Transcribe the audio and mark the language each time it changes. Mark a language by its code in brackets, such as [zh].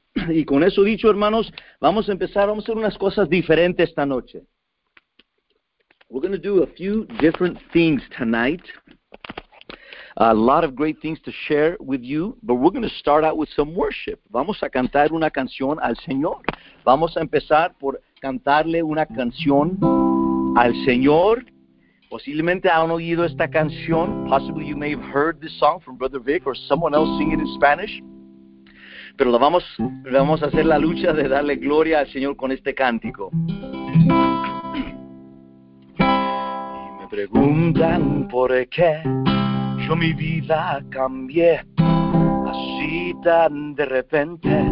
[es] Y con eso dicho, hermanos, vamos a empezar, vamos a hacer unas cosas diferentes esta noche. [en] We're going to do a few different things tonight. A lot of great things to share with you, but we're going to start out with some worship. [es] Vamos a cantar una canción al Señor. Vamos a empezar por cantarle una canción al Señor. Posiblemente han oído esta canción. [en] Possibly you may have heard this song from Brother Vic or someone else sing it in Spanish. [es] Pero vamos a hacer la lucha de darle gloria al Señor con este cántico. Y me preguntan por qué yo mi vida cambié así tan de repente.